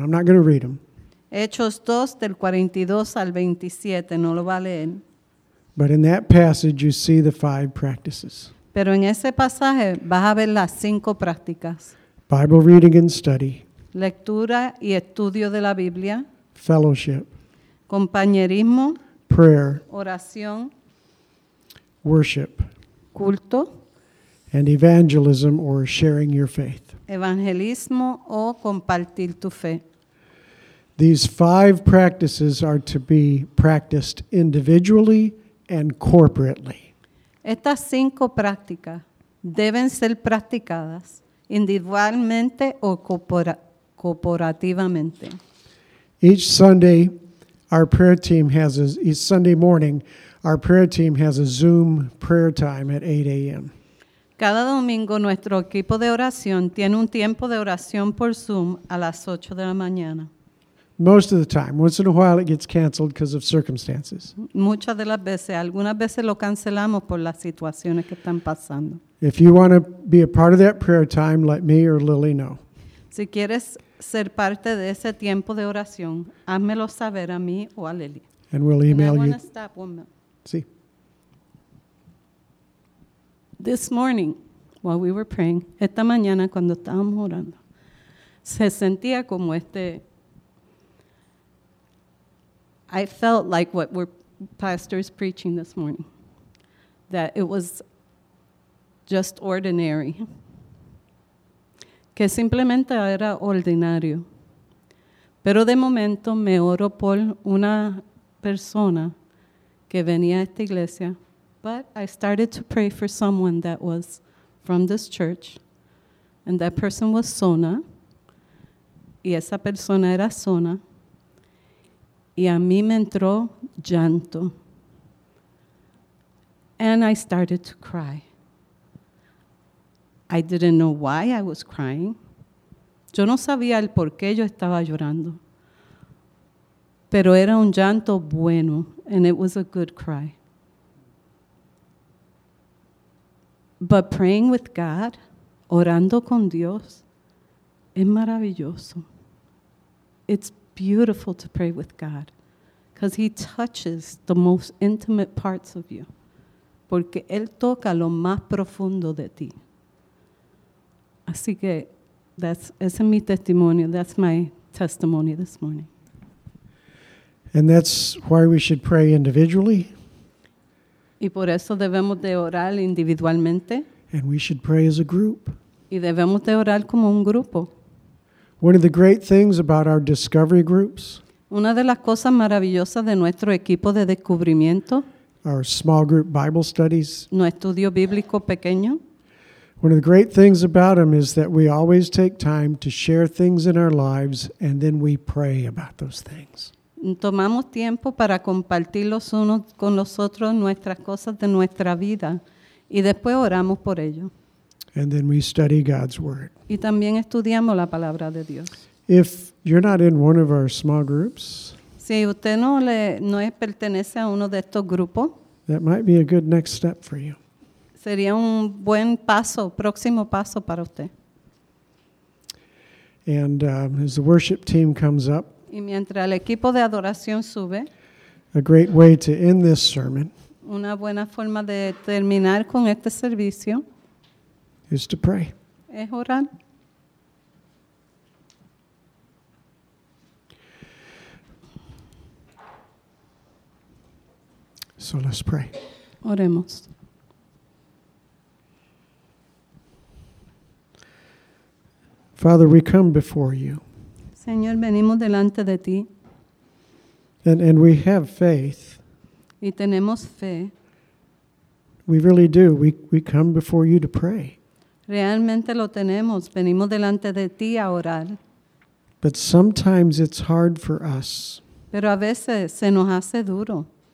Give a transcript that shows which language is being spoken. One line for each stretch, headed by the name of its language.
English: I'm not going to read them.
Spanish: Hechos 2, del 42 al 27. No lo va a leer.
English: But in that passage, you see the five practices.
Spanish: Pero en ese pasaje vas a ver las cinco prácticas.
English: Bible reading and study.
Spanish: Lectura y estudio de la Biblia.
English: Fellowship.
Spanish: Compañerismo.
English: Prayer.
Spanish: Oración.
English: Worship.
Spanish: Culto.
English: And evangelism, or sharing your faith.
Spanish: Evangelismo o compartir tu fe.
English: These five practices are to be practiced individually and corporately.
Spanish: Estas cinco prácticas deben ser practicadas individualmente o corporativamente.
English: Each Sunday, our prayer team has a, each Sunday morning, our prayer team has a Zoom prayer time at 8 a.m.
Spanish: Cada domingo nuestro equipo de oración tiene un tiempo de oración por Zoom a las 8 de la mañana.
English: Most of the time, once in a while it gets canceled because of circumstances.
Spanish: Muchas de las veces, algunas veces lo cancelamos por las situaciones que están pasando.
English: If you want to be a part of that prayer time, let me or Lily know.
Spanish: Si quieres ser parte de ese tiempo de oración, házmelo saber a mí o a Lily.
English: And we'll email you. And I want to stop one minute.
Spanish: Sí.
English: This morning, while we were praying,
Spanish: esta mañana cuando estábamos orando, se sentía como este.
English: I felt like what we're pastors preaching this morning, that it was just ordinary.
Spanish: Que simplemente era ordinario. Pero de momento me oro por una persona que venía a esta iglesia.
English: But I started to pray for someone that was from this church. And that person was Sona.
Spanish: Y esa persona era Sona. Y a mí me entró llanto.
English: And I started to cry. I didn't know why I was crying.
Spanish: Yo no sabía el por qué yo estaba llorando. Pero era un llanto bueno.
English: And it was a good cry. But praying with God,
Spanish: orando con Dios, es maravilloso.
English: It's beautiful to pray with God. Because he touches the most intimate parts of you.
Spanish: Porque él toca lo más profundo de ti. Así que, ese es mi testimonio.
English: That's my testimony this morning. And that's why we should pray individually.
Spanish: Y por eso debemos de orar individualmente.
English: And we should pray as a group.
Spanish: Y debemos de orar como un grupo.
English: One of the great things about our discovery groups.
Spanish: Una de las cosas maravillosas de nuestro equipo de descubrimiento.
English: Our small group Bible studies.
Spanish: Nuestro estudio bíblico pequeño.
English: One of the great things about them is that we always take time to share things in our lives and then we pray about those things.
Spanish: Tomamos tiempo para compartir los unos con los otros nuestras cosas de nuestra vida y después oramos por ello.
English: And then we study God's word.
Spanish: Y también estudiamos la palabra de Dios.
English: If you're not in one of our small groups,
Spanish: si usted no pertenece a uno de estos grupos,
English: that might be a good next step for you.
Spanish: Sería un buen paso, próximo paso para usted.
English: And as the worship team comes up,
Spanish: y mientras el equipo de adoración sube,
English: a great way to end this sermon,
Spanish: una buena forma de terminar con este servicio,
English: is to pray.
Spanish: Es orar.
English: So let's pray.
Spanish: Oremos.
English: Father, we come before you.
Spanish: Señor, venimos delante de ti.
English: And we have faith.
Spanish: Y tenemos fe.
English: We really do. We come before you to pray.
Spanish: Realmente lo tenemos. Venimos delante de ti a orar.
English: But sometimes it's hard for us.
Spanish: Pero a veces se nos hace duro.